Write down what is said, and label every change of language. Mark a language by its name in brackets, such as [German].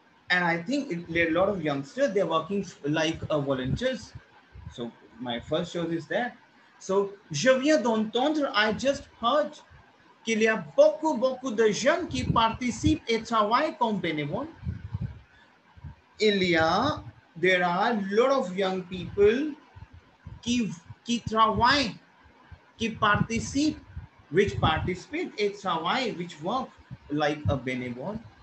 [English] And I think there are a lot of youngsters, they're working like volunteers. So, my first choice is that. [French] So, je viens d'entendre, [English] I just heard [French] qu'il y a beaucoup, beaucoup de jeunes qui participent et travaillent comme bénévoles. [English] There are a lot of young people [French] qui travaillent, qui participent, [English] which participate [French] et travaillent, [English] which work like a bénévole.